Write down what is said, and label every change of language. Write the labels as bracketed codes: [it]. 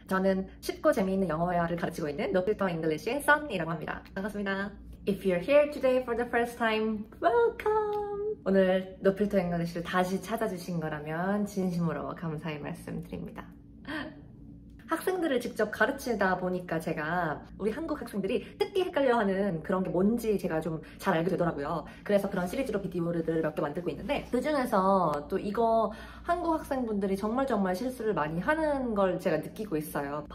[ko] 저는 쉽고 재미있는 영어 회화를 가르치고 있는 No Filter English의 썬이라고 합니다. 반갑습니다. [en] If you're here today for the first time, welcome! [ko] 오늘 No Filter English를 다시 찾아주신 거라면 진심으로 감사의 말씀 드립니다. 학생들을 직접 가르치다 보니까 제가 우리 한국 학생들이 특히 헷갈려하는 그런 게 뭔지 제가 좀잘 알게 되더라고요. 그래서 그런 시리즈로 비디오를 몇개 만들고 있는데 그중에서 또 이거 한국 학생분들이 정말 정말 실수를 많이 하는 걸 제가 느끼고 있어요.